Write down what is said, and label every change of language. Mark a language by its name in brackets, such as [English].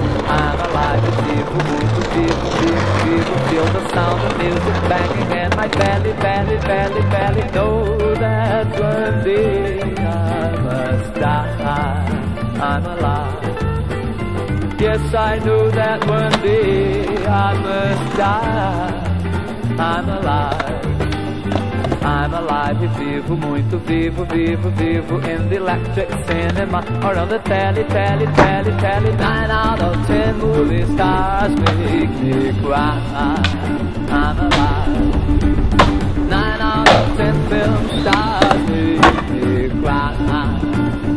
[English] I'm alive, [Portuguese] vivo, muito vivo, vivo, vivo. [English] Feel the sound of music banging in my belly, belly, belly, belly. Know that one day I must die. I'm alive. Yes, I know that one day I must die. I'm alive. I'm alive, [Portuguese] vivo, muito vivo, vivo, vivo. [English] In the electric cinema or on the telly, telly, telly, telly. Nine out of ten movie stars make me cry. I'm alive. Nine out of ten film stars make me cry.